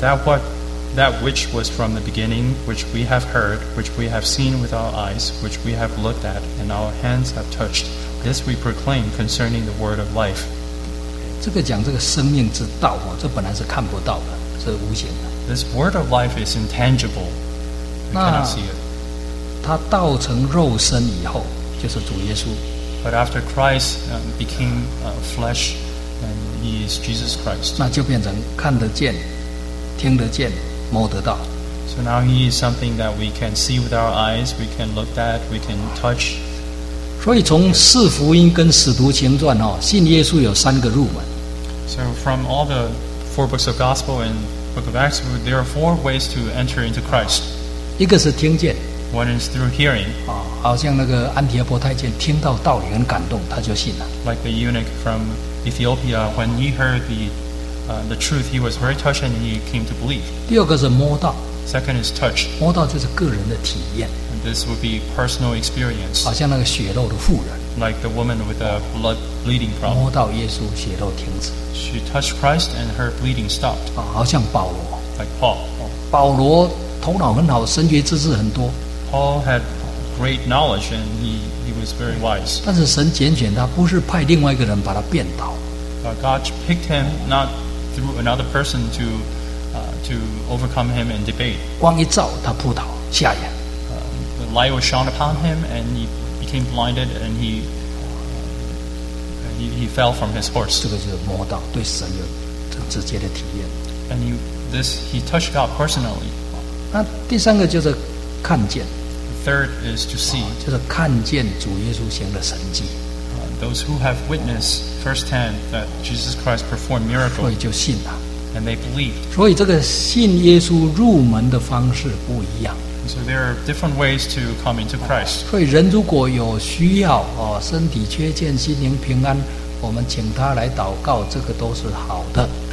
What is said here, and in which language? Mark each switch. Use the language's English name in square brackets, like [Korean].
[English] That which was from the beginning, which we have heard, which we have seen with our eyes, which we have looked at, and our hands have touched, this we proclaim concerning the word of life. [Chinese] 这个讲这个生命之道，这本来是看不到的，是无形的。 [English] This word of life is intangible. You cannot see it. [Chinese] 它道成肉身以后，就是主耶稣。 [English] But after Christ became flesh, and He is Jesus Christ, [Chinese] 那就变成看得见、听得见、摸得到。 [English] So now He is something that we can see with our eyes, we can look at, we can touch. [Chinese] 所以从四福音跟使徒行传哦，信耶稣有三个入门。 [English] So from all the four books of Gospel and Book of Acts, there are four ways to enter into Christ. [Chinese] 一个是听见。 [English] One is through hearing. [Chinese] 好像那个安提阿波太监听到道理很感动，他就信了。 [English] Like the eunuch from Ethiopia, when he heard the truth, he was very touched and he came to believe. [Chinese] 第二个是摸到。 [English] Second is touch. [Chinese] 摸到就是个人的体验。 [English] And this would be personal experience. [Chinese] 好像那个血漏的妇人。 [English] Like the woman with a blood bleeding problem. [Chinese] 摸到耶稣，血漏停止。 [English] She touched Christ and her bleeding stopped. [Chinese] 好像保罗。 [English] Like Paul. [Chinese] 保罗头脑很好，神学知识很多。 [English] Paul had great knowledge and he was very wise. [Chinese] 但是神拣选他，不是派另外一个人把他变倒。 [English] But God picked him not through another person to overcome him and debate. [Chinese] 光一照他扑倒，瞎眼。 [English] The light was shone upon him and he became blinded and he fell from his horse. [Chinese] 这个就是摸到对神有很直接的体验。 [English] And he touched God personally. [Chinese] 那第三个就是。看见。 [English] The third is to see. [Chinese] 就是看见主耶稣行的神迹。 [English] Those who have witnessed firsthand that Jesus Christ performed miracles. [Chinese] 所以就信了。 [English] And they believed. [Chinese] 所以这个信耶稣入门的方式不一样。 [English] And so there are different ways to come into Christ. [Chinese] 所以人如果有需要，身体缺欠，心灵平安，我们请他来祷告，这个都是好的。